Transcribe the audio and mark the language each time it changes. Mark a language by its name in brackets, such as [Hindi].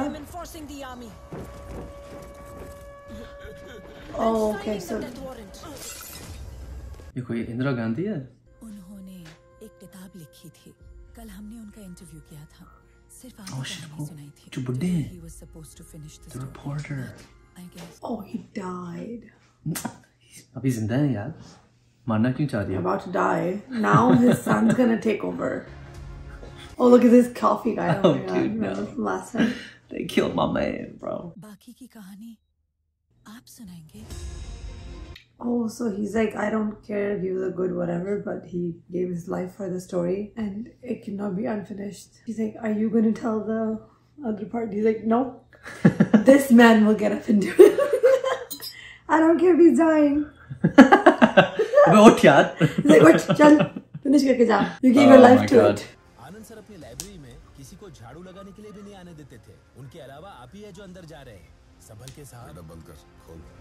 [English] I am enforcing the army Oh, okay, so... [Hindi] ये कोई इंदिरा गांधी है? उन्होंने एक किताब लिखी थी। कल हमने उनका इंटरव्यू किया था। सिर्फ आपको सुनाई थी। जो बुड्ढे हैं। [English] He was supposed to finish the reporter. Oh, he died. [Hindi] अभी जिंदा है यार। मारना क्यों चाह रही [English] है? About to die. Now his son's gonna take over. Oh, look at this coffee guy. Oh, dude, no. Remember from last time? They killed my man, bro. [Hindi] बाकी की कहानी आप सुनाएंगे [English] Oh, so he's like, I don't care if he was a good whatever, but he gave his life for the story and it cannot be unfinished. He's like, are you going to tell the other part? He's like, no, this man will get up and do it. I don't care if he's dying. [Hindi] अबे उठ यार. [English] He's like, [Hindi] उठ, चल, finish करके जा. [English] You gave your life to it. [Hindi] Anand sir अपनी library में किसी को झाड़ू लगाने के लिए भी नहीं आने देते थे. उनके अलावा आप ही है जो अंदर जा रहे हैं. संभल के साथ. बेटा बंद कर, खोल.